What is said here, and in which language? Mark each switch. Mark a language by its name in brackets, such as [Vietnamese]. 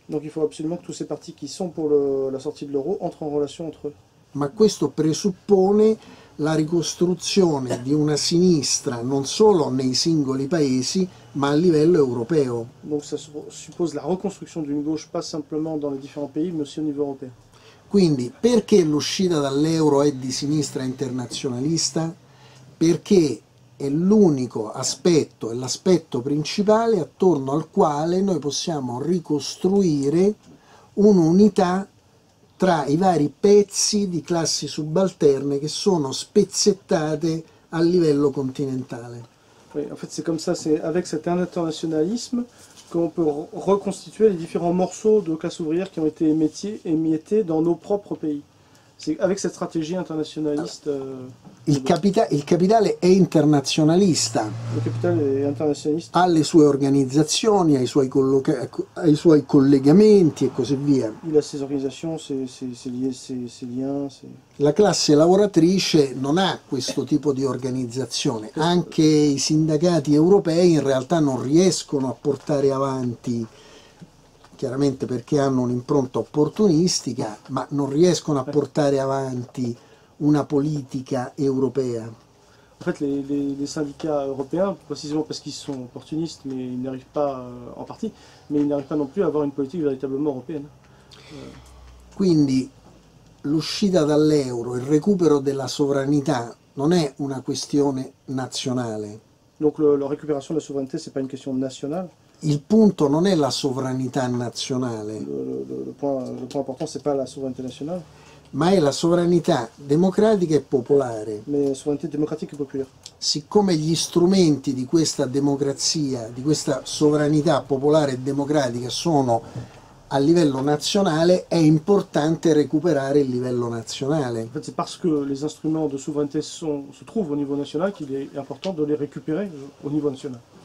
[French] Donc il faut absolument que tous ces partis qui sont pour la sortie de l'euro entrent en relation entre eux. [Italian] Ma questo presuppone la ricostruzione di una sinistra non solo nei singoli paesi, ma a livello europeo. [French] Donc ça suppose la reconstruction d'une gauche pas simplement dans les différents pays, mais aussi au niveau européen. [Italian] Quindi, perché l'uscita dall'euro è di sinistra internazionalista? Perché è l'unico aspetto, è l'aspetto principale attorno al quale noi possiamo ricostruire un'unità tra i vari pezzi di classi subalterne che sono spezzettate a livello continentale. [French] Oui, en fait, c'est comme ça, c'est avec cet internationalisme qu'on peut reconstituire les différents morceaux de classe ouvrière qui ont été émiettés dans nos propres pays. C'est avec cette stratégie internationaliste. [Italian] Il capitale è internazionalista. Il capitale è internazionalista. Ha le sue organizzazioni, ai suoi collegamenti e così via. [French] Il ha ses organizzazioni, ses liens. [Italian] La classe lavoratrice non ha questo tipo di organizzazione. Anche i sindacati europei in realtà non riescono a portare avanti, chiaramente perché hanno un'impronta opportunistica, ma non riescono a portare avanti una politica europea. [French] En fait, les syndicats européens, précisément parce qu'ils sont opportunistes, mais ils n'arrivent pas en partie, mais ils n'arrivent pas non plus à avoir une politique véritablement européenne. [Italian] Quindi l'uscita dall'euro, il recupero della sovranità, non è una questione nazionale. [French] Donc la récupération de la souveraineté, c'est pas une question nationale. [Italian] il punto non è la sovranità nazionale. [French] Le point important, c'est pas la souveraineté nationale. [Italian] Ma è la sovranità democratica e popolare. [French] Mais souveraineté démocratique et populaire. [Italian] Siccome gli strumenti di questa democrazia, di questa sovranità popolare e democratica sono a livello nazionale, è importante recuperare il livello nazionale. [French] En fait, c'est parce que les instruments de souveraineté se trouvent au niveau national qu'il est important de les récupérer au niveau national.